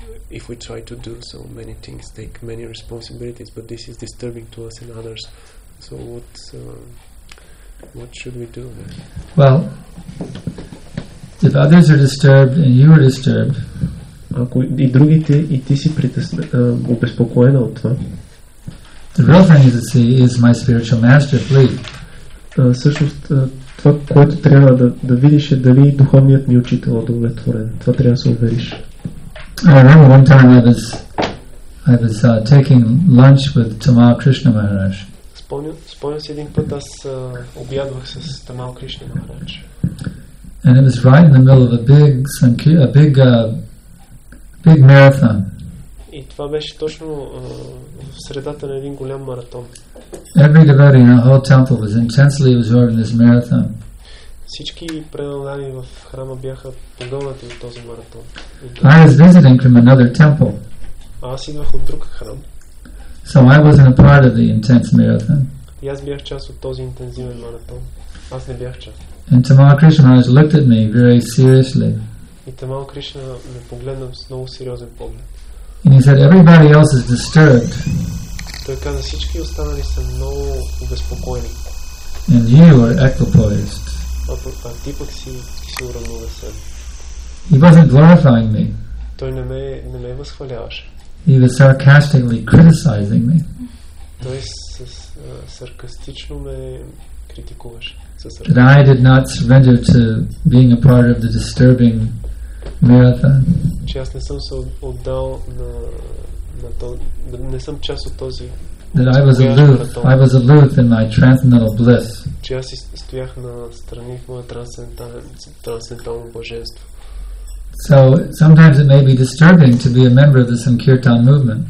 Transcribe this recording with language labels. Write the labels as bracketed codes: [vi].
[en] If we try to do so many things, take many responsibilities, but this is disturbing to us and others. So what should we do? Well, if others are disturbed and you are disturbed. [bg] Ако и другите и ти си обезпокоена от това. [en] The real thing is to see is my spiritual master flee. [bg] Всъщност това, което трябва да видиш е дали духовният ми учител е удовлетворен. Това трябва да се увериш. [en] I remember one time I was taking lunch with Tamal Krishna Maharaj. [bg] Спомням си един път аз обядвах с Тамал Кришна Махарадж. [en] And it was right in the middle of a big marathon. [bg] И това беше точно в средата на един голям маратон. [en] Every devotee in the whole temple was intensely absorbed in this marathon. [bg] Всички преданани в храма бяха погълнати от този маратон. [en] I was visiting from another temple. [bg] Аз идвах от друг храм. [en] So I wasn't a part of the intense marathon. [bg] И аз бях част от този интензивен маратон. Аз не бях част. [en] And Tamal Krishna has looked at me very seriously. [bg] И Тамал Кришна ме погледна с много сериозен поглед. [en] And he said, everybody else is disturbed. [bg] Той каза, всички останали са много обезпокоени. [en] And you are equipoised. [bg] А ти пък си уравновесен. [en] He wasn't glorifying me. [bg] Той не ме възхваляваше. [en] He was sarcastically criticizing me. [bg] Той саркастично ме критикуваше. [en] That I did not surrender to being a part of the disturbing marathon. [bg] Че аз не съм се отдал на този, не съм част от този. [en] That I was aloof. I was aloof in my transcendental bliss. [bg] Че аз стоях на страни в моето трансцендентално блаженство. [en] So sometimes it may be disturbing to be a member of the Sankirtan movement.